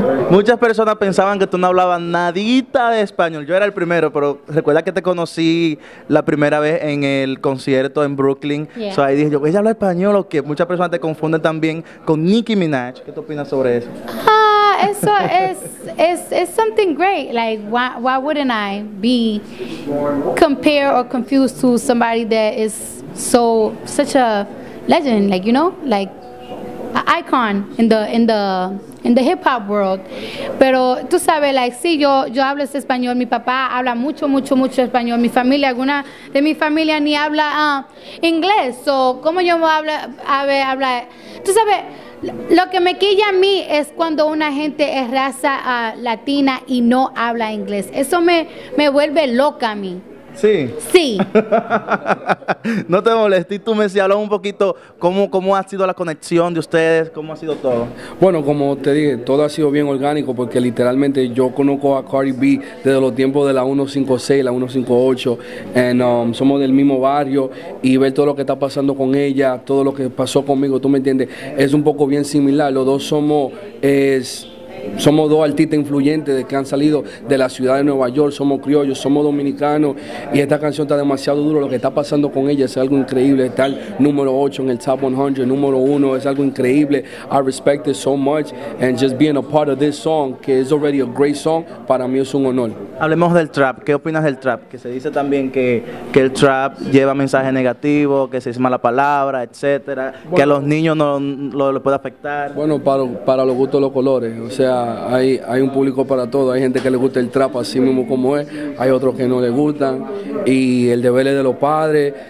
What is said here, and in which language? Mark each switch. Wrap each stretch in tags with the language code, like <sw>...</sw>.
<es>Muchas personas pensaban que tú no hablabas nadita de español. Yo era el primero, pero recuerda que te conocí la primera vez en el concierto en Brooklyn. So ahí dije yo, ¿ella habla español o qué? Muchas personas te confunden también con Nicki Minaj. ¿Qué tú opinas sobre eso? Eso es</es> <en>something great. Why wouldn't I be compared or confused to somebody that is so such a legend, an icon in the hip hop world?</en> <es>Pero tú sabes, sí, yo hablo ese español. Mi papá habla mucho, mucho, mucho español. Mi familia, alguna de mi familia ni habla inglés. So, ¿cómo yo me hablo a ver hablar? Tú sabes, lo que me quilla a mí es cuando una gente es raza latina y no habla inglés. Eso me vuelve loca a mí. Sí. Sí. No te molestes, tú me decías, habló un poquito cómo ha sido la conexión de ustedes, cómo ha sido todo. Bueno, como te dije, todo ha sido bien orgánico porque literalmente yo conozco a Cardi B desde los tiempos de la 156, la 158, somos del mismo barrio y ver todo lo que está pasando con ella, todo lo que pasó conmigo, tú me entiendes, es un poco bien similar. Los dos somos somos dos artistas influyentes que han salido de la ciudad de Nueva York, somos criollos, somos dominicanos, y esta canción está demasiado duro. Lo que está pasando con ella es algo increíble, está el número 8 en el Top 100, número 1, es algo increíble.</es> <en>I respect it so much, and just being a part of this song, que is already a great song,</en> <es>para mí es un honor. Hablemos del trap, ¿qué opinas del trap? Que se dice también que el trap lleva mensaje negativo, que se dice mala palabra, etcétera, bueno, que a los niños no lo puede afectar. Bueno, para los gustos de los colores, o sea, hay un público para todo. Hay gente que le gusta el trap así mismo como es, hay otros que no le gustan, y el deber es de los padres.</es>